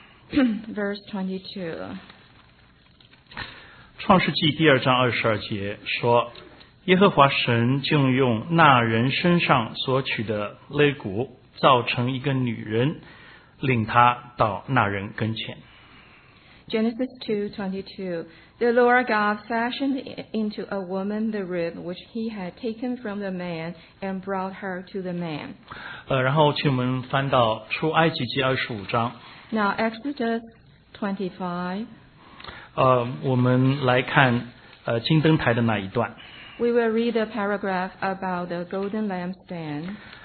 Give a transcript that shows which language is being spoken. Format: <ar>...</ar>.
<en>Verse 22.</en> <zh>创世纪第二章二十二节说，耶和华神就用那人身上所取的肋骨造成一个女人，领他到那人跟前。</zh> <en>Genesis 2:22 The Lord God fashioned into a woman the rib which he had taken from the man and brought her to the man.</en> <zh>然后请我们翻到出埃及记二十五章。</zh> <en>Now Exodus 25.</en> <zh>我们来看金灯台的那一段。</zh> <en>We will read a paragraph about the golden lampstand.</en>